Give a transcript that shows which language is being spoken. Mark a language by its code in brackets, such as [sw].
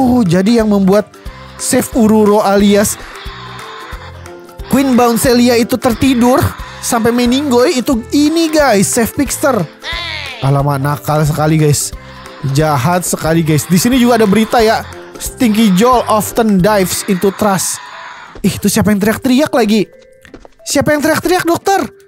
[id] Jadi yang membuat Chef Ururo alias Queen Bouncelia itu tertidur sampai meninggoy itu ini guys, Chef Pixter. Alamak, nakal sekali guys. Jahat sekali guys. Di sini juga ada berita ya. [en] Stinky Joel often dives into trash. [id] Itu siapa yang teriak-teriak lagi? Siapa yang teriak-teriak, dokter?